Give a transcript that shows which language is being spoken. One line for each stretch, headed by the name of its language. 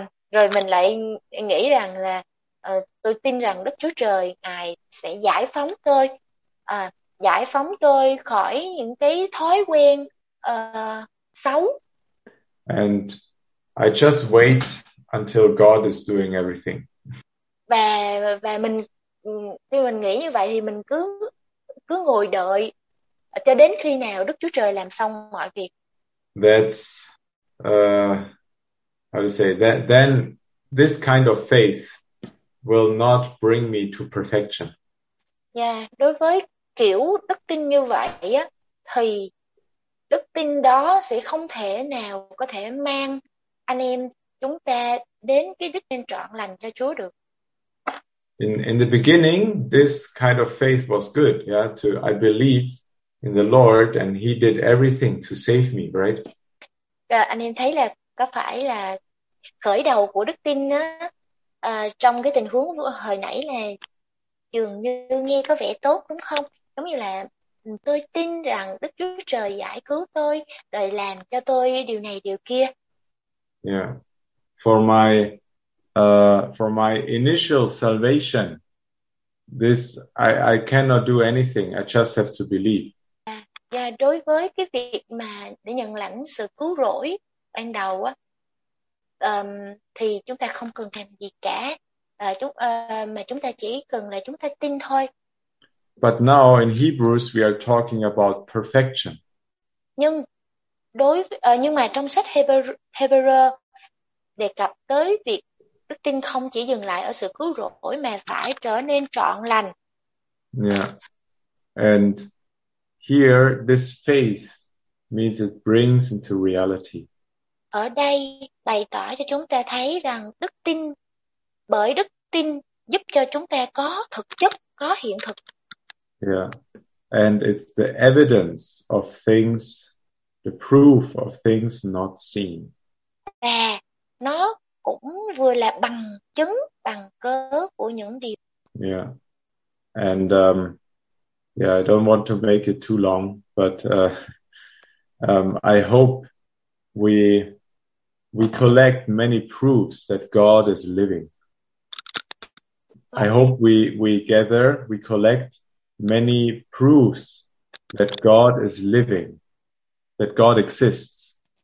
Vietnamese: Rồi mình lại nghĩ rằng là tôi tin rằng Đức Chúa Trời Ngài sẽ giải phóng tôi, giải phóng tôi khỏi những cái thói quen xấu.
English: And I just wait until God is doing everything.
Vietnamese: Và mình khi mình nghĩ như vậy thì mình cứ cứ ngồi đợi cho đến khi nào Đức Chúa Trời làm xong mọi việc.
English: That's how to say that then this kind of faith will not bring me to perfection.
Vietnamese: Đối với kiểu đức tin như vậy á thì đức tin đó sẽ không thể nào có thể mang anh em chúng ta đến cái đức tin trọn lành cho Chúa được.
English: In the beginning, this kind of faith was good, yeah, to I believe in the Lord and he did everything to save me, right?
Vietnamese: Anh em thấy là có phải là khởi đầu của đức tin á, trong cái tình huống hồi nãy là dường như nghe có vẻ tốt đúng không? Giống như là tôi tin rằng Đức Chúa Trời giải cứu tôi, rồi làm cho tôi điều này điều kia. Yeah.
English: For my initial salvation, I cannot do anything. I just have to believe.
Vietnamese: Và đối với cái việc mà để nhận lãnh sự cứu rỗi ban đầu á, thì chúng ta không cần làm gì cả. Mà chúng ta chỉ cần là chúng ta tin thôi.
English: But now in Hebrews we are talking about perfection.
Vietnamese: Nhưng mà trong sách Hebrew đề cập tới việc đức tin không chỉ dừng lại ở sự cứu rỗi mà phải trở nên trọn lành. Yeah.
English: And here this faith means it brings into reality.
Vietnamese: Ở đây bày tỏ cho chúng ta thấy rằng đức tin, bởi đức tin giúp cho chúng ta có thực chất, có hiện thực. Yeah.
English: And it's the evidence of things, the proof of things not seen.
Vietnamese: Và nó cũng vừa là bằng chứng, bằng cớ của những điều. Yeah.
English: And yeah, I don't want to make it too long, but I hope we collect many proofs that God is living. I hope we collect many proofs that God is living, that God exists.